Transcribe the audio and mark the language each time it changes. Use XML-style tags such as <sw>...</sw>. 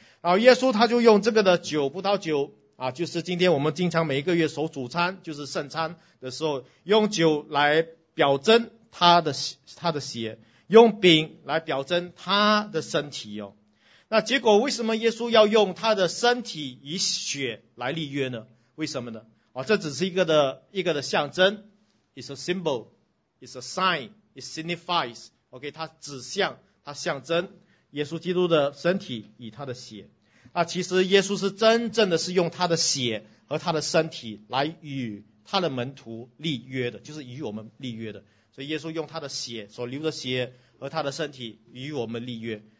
<zh>然后耶稣他就用这个的酒，葡萄酒就是今天我们经常每一个月守主餐，就是圣餐的时候，用酒来表征他的血，用饼来表征他的身体。那结果为什么耶稣要用他的身体以血来立约呢？为什么呢？哦，这只是一个的象征</zh> <en>，it's a symbol, it's a sign, it signifies.</en> <zh>OK, 它指向，它象征耶稣基督的身体以他的血。那其实耶稣是真正的是用他的血和他的身体来与他的门徒立约的，就是与我们立约的。所以耶稣用他的血所流的血和他的身体与我们立约。</zh>